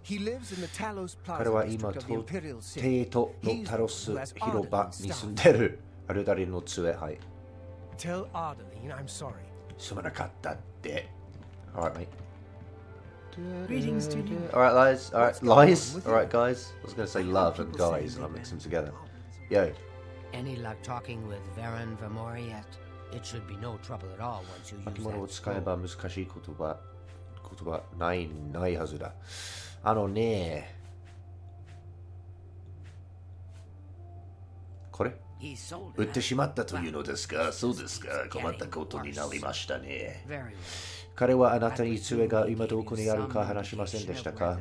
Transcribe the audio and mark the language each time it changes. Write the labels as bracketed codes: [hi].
[en] He lives in the Talos Plaza district of the Imperial City. [ja] 彼は今、帝都のタロス広場に住んでる。アルダリンの杖、はい。 [en] Tell Ardeline I'm sorry. [ja] すまなかったって。 [en] Alright, mate. Greetings to you. All right, lies. All right, lies. All right, guys. I was going to say love and guys, and I'll mix them together. Yo. Any luck talking with Varen Vermore yet? It should be no trouble at all once you use that. [ja] 巻物を使えば難しい言葉ないはずだ。あのね。これ売ってしまったというのですか。そうですか。困ったことになりましたね。彼はあなたに杖が今どこにあるか話しませんでしたか。